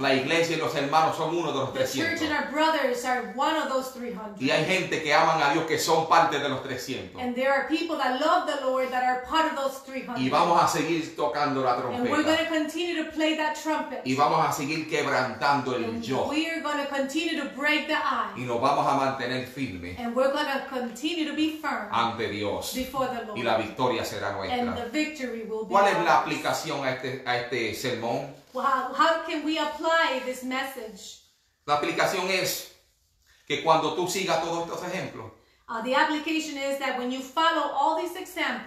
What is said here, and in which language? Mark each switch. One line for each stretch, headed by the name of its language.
Spanish: La iglesia y los hermanos son uno de los 300.
English: The church and our brothers are one of those 300.
Spanish: Y hay gente que aman a Dios que son parte de los 300.
English: And there are people that love the Lord that are part of those 300.
Spanish: Y vamos a seguir tocando la trompeta.
English: And we're going to continue to play that trumpet.
Spanish: Y vamos a seguir quebrantando el
English: and
Spanish: yo.
English: We are going to continue to break the I.
Spanish: Y nos vamos a mantener firme.
English: And we're going to continue to be firm.
Spanish: Ante Dios.
English: Before the Lord.
Spanish: Y la victoria será nuestra.
English: And the victory will be
Spanish: ¿cuál
English: ours?
Spanish: Es la aplicación a este sermón?
English: Well, how can we apply this message?
Spanish: La aplicación es que cuando tú sigas todos estos ejemplos.
English: The application is that when you follow all these examples.